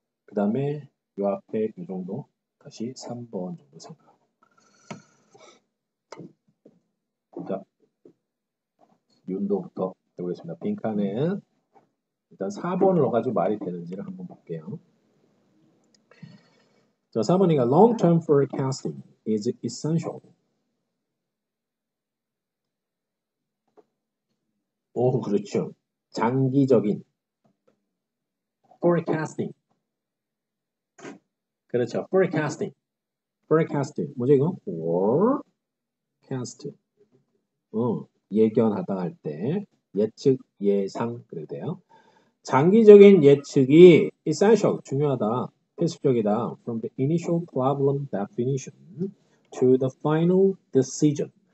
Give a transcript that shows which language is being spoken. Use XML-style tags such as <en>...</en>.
<ko>그 다음에 이 앞에 이 정도, 다시 3번 정도 생각하고. 자, 윤도부터 해보겠습니다. 빈칸에 일단 4번을 넣어가지고 말이 되는지를 한번 볼게요. 자, 3번이가</ko> <en>long-term forecasting is essential.</en> <ko>오, 그렇죠. 장기적인 forecasting. 그렇죠. forecasting. forecasting. 뭐지 이거? forecast. 예견하다 할 때 예측, 예상 그래도 돼요. 장기적인 예측이 essential, 중요하다. 필수적이다.</ko> <en>From the initial problem definition to the final decision.</en>